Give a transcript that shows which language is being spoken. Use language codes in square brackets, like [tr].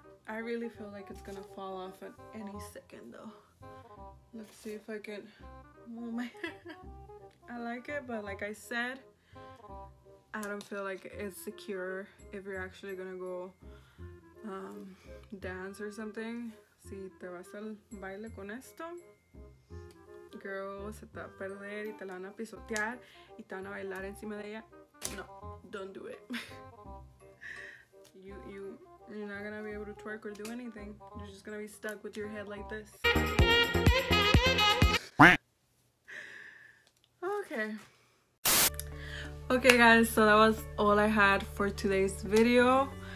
[en] I really feel like it's gonna fall off at any second though. Let's see if I can move my hair. I like it, but like I said, I don't feel like it's secure if you're actually gonna go dance or something. [es] Si te vas al baile con esto, girl, se te va a perder y te la van a pisotear y te van a bailar encima de ella. [en] No, don't do it. You're not gonna be able to twerk or do anything. You're just gonna be stuck with your head like this. Okay. Okay, guys, so that was all I had for today's video.